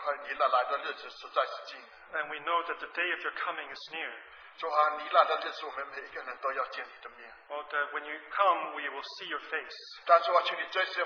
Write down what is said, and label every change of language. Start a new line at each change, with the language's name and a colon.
English: And we know that the day of your coming is near.
Chinese: 主啊，你来的日子，我们每一个人都要见你的面。
English: Oh, that when you come, we will see your face.